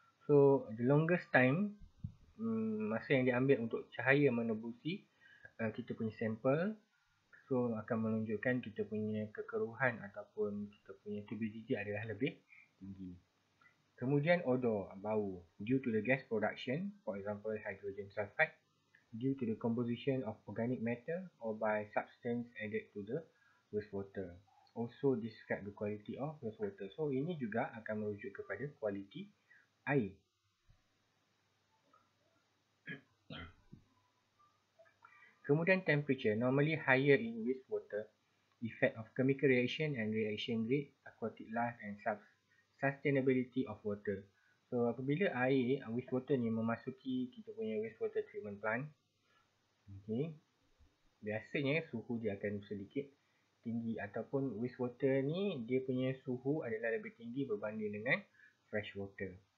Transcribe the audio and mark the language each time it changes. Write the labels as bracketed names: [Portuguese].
[English] So, the longest time [Malay] masa yang diambil untuk cahaya menebusi kita punya sampel, so akan menunjukkan kita punya kekeruhan ataupun kita punya turbidity adalah lebih tinggi. [English] Kemudian odor, bau, due to the gas production, for example hydrogen sulfide, due to the composition of organic matter or by substance added to the wastewater. Also describe the quality of wastewater. [Malay] So ini juga akan merujuk kepada kualiti air. [English] Kemudian temperature, normally higher in wastewater, effect of chemical reaction and reaction rate, aquatic life and sustainability of water. [Malay] So apabila air, wastewater ni memasuki kita punya wastewater treatment plant, okay, biasanya suhu dia akan sedikit tinggi ataupun wastewater ni dia punya suhu adalah lebih tinggi berbanding dengan fresh water.